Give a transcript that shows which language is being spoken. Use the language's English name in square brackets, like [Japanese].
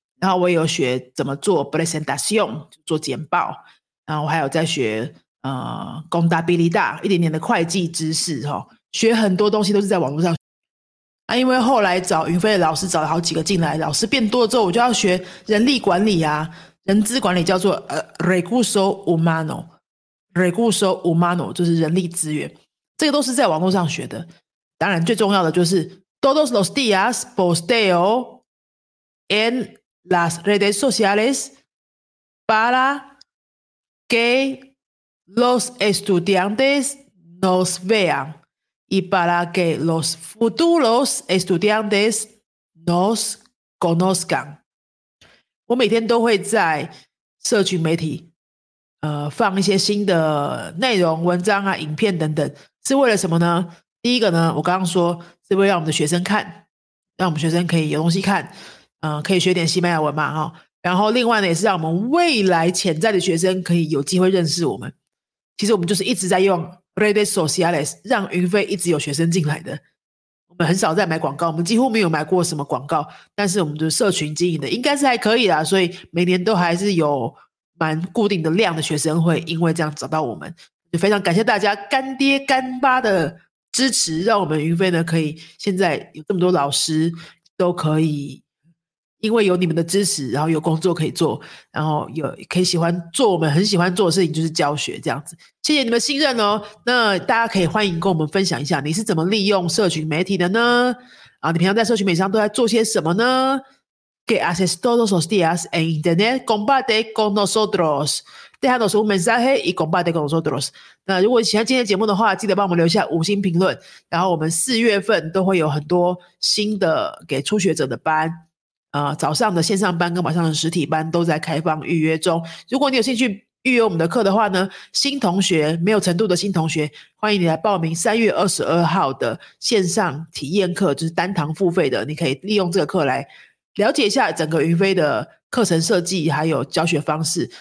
[Chinese] 然后我也有学怎么做 presentación 做简报，然后我还有在学contabilidad 一点点的会计知识，学很多东西都是在网络上。那因为后来找云飞的老师找了好几个进来，老师变多了之后，我就要学人力管理啊，人资管理叫做recurso humano 就是人力资源，这个都是在网络上学的。当然最重要的就是 [Spanish] todos los días posteo en las redes sociales para que los estudiantes nos vean y para que los futuros estudiantes nos conozcan。 [Chinese] 我每天都会在社群媒体放一些新的内容文章啊影片等等，是为了什么呢？第一个呢，我刚刚说是为了让我们的学生看，让我们学生可以有东西看，可以学点西班牙文嘛，然后另外呢，也是让我们未来潜在的学生可以有机会认识我们。其实我们就是一直在用 redes sociales 让云飞一直有学生进来的。我们很少在买广告，我们几乎没有买过什么广告，但是我们的社群经营的应该是还可以啦，所以每年都还是有蛮固定的量的学生会因为这样找到我们。就非常感谢大家干爹干妈的支持，让我们云飞呢可以现在有这么多老师都可以因为有你们的支持，然后有工作可以做，然后有可以喜欢做我们很喜欢做的事情，就是教学这样子。谢谢你们信任哦。那大家可以欢迎跟我们分享一下你是怎么利用社群媒体的呢？啊，你平常在社群媒体上都在做些什么呢？ [Spanish] Que haces todos los días en internet, comparte con nosotros. Déjanos un mensaje y comparte con nosotros. [Chinese] 那如果喜欢今天的节目的话，记得帮我们留下五星评论。然后我们四月份都会有很多新的给初学者的班，早上的线上班跟晚上的实体班都在开放预约中。如果你有兴趣预约我们的课的话呢，新同学，没有程度的新同学，欢迎你来报名3月22号的线上体验课，就是单堂付费的，你可以利用这个课来了解一下整个云飞的课程设计还有教学方式。